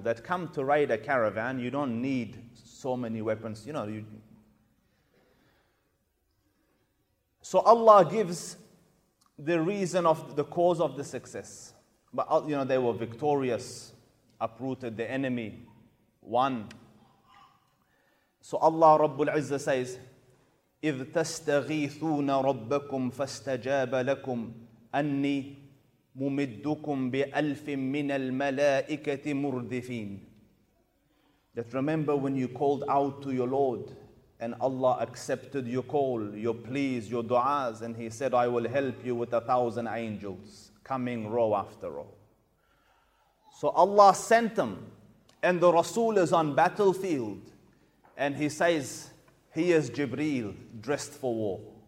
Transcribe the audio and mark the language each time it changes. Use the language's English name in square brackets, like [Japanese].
[English] They'd come to raid a caravan. You don't need so many weapons. So Allah gives the reason of the cause of the success. But they were victorious, uprooted the enemy, won. So Allah Rabbul Izzah says, [Arabic] إِذْ تَسْتَغِيثُونَ رَبَّكُمْ فَاسْتَجَابَ لَكُمْ أَنِّي مُمِدُّكُمْ بِأَلْفٍ مِّنَ الْمَلَائِكَةِ مُرْدِفِينَ. [English] That remember when you called out to your Lord and Allah accepted your call, your pleas, your du'as, and He said, I will help you with 1,000 angels coming row after row. So Allah sent them, and the Rasul is on battlefield, and he says, he is Jibreel, dressed for war.